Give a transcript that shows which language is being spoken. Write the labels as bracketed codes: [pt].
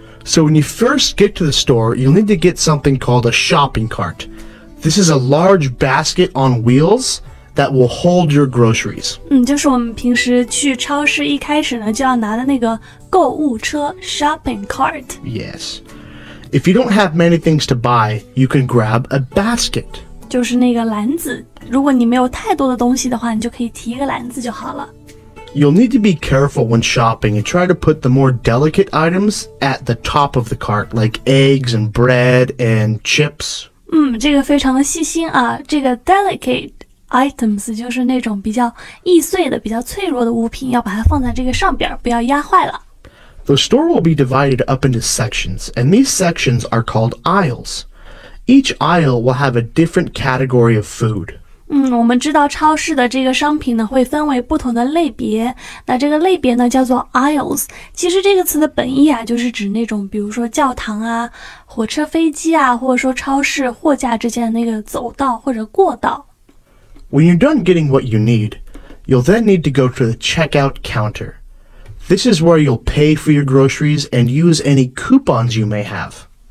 [en] So when you first get to the store, you'll need to get something called a shopping cart. This is a large basket on wheels that will hold your groceries. [zh] 就是我们平时去超市一开始呢就要拿的那个购物车 shopping cart. [en] Yes. If you don't have many things to buy, you can grab a basket. [zh] 就是那个篮子。如果你没有太多的东西的话，你就可以提一个篮子就好了。 [en] You'll need to be careful when shopping and try to put the more delicate items at the top of the cart, like eggs and bread and chips. [zh] 这个非常的细心啊。这个 delicate items 就是那种比较易碎的、比较脆弱的物品，要把它放在这个上边，不要压坏了。 [en] The store will be divided up into sections, and these sections are called aisles. Each aisle will have a different category of food. [zh] 我们知道超市的这个商品呢会分为不同的类别，那这个类别呢叫做 aisles。其实这个词的本意啊就是指那种比如说教堂啊、火车、飞机啊，或者说超市货架之间的那个走道或者过道。 [en] When you're done getting what you need, you'll then need to go to the checkout counter. This is where you'll pay for your groceries and use any coupons you may have.